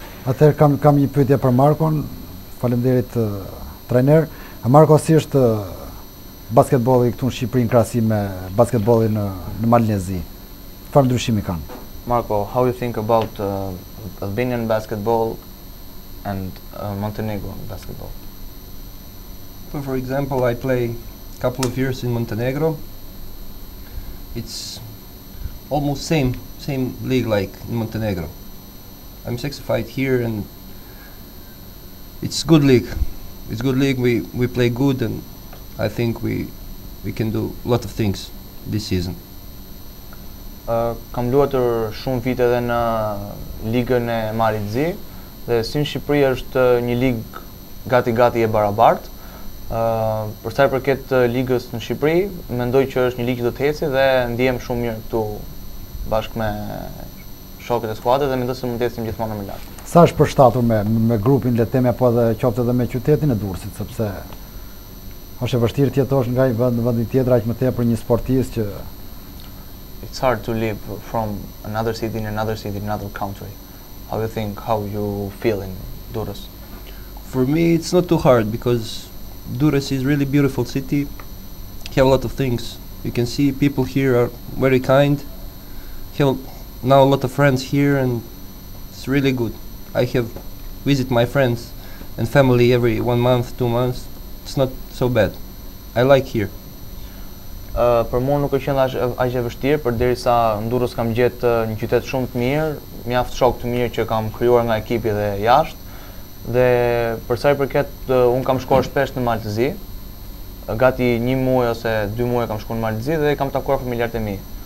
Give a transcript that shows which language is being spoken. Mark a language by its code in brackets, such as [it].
[sq] Atëherë kam një pyetje për Markon. Faleminderit trener. Marko, si është basketbolli këtu në Shqipëri në krahasim me basketbollin në Malinezi? Çfarë ndryshimi kanë? [en] Marko, how you think about Albanian basketball and Montenegrin basketball? So for example, I play a couple of years in Montenegro. It's almost same league like in Montenegro. I'm certified here and it's good league. It's good league, we play good and I think we can do a lot of things this season. [sq] Kam luatur shumë vite edhe në ligën e Malit Zi dhe si në Shqipëri është një ligë gati e barabart. Për sa I përket ligës në Shqipëri, mendoj që është një ligë që do të heci dhe ndihem shumë mirë këtu bashkë me shokët e skuadrës dhe mendoj se mund të ecim gjithmonë më lart. Sa është përshtatur me grupin letemi apo edhe qoftë edhe me qytetin e Durrësit, sepse është e vështirë të jetosh nga një vend tjetër aq më tepër një sportist që [en] it's hard to live from another city in another city in another country. How you think how you feel in Durrës? For me it's not too hard because Durrës is really beautiful city. Have a lot of things. You can see people here are very kind. Have now a lot of friends here and it's really good. I have visit my friends and family every 1 month, 2 months. It's not so bad. I like here. [sq] Për mua nuk është aq e vështirë, përderisa në Durrës kam gjetë një qytet shumë të mirë, mjaft shokë të mirë që kam krijuar nga ekipi dhe jashtë. Dhe për sa I përket un kam shkuar shpesh në Malë të Zi. Gati 1 muaj ose 2 muaj kam shkuar në Malë të Zi dhe kam takuar familjarët e mi.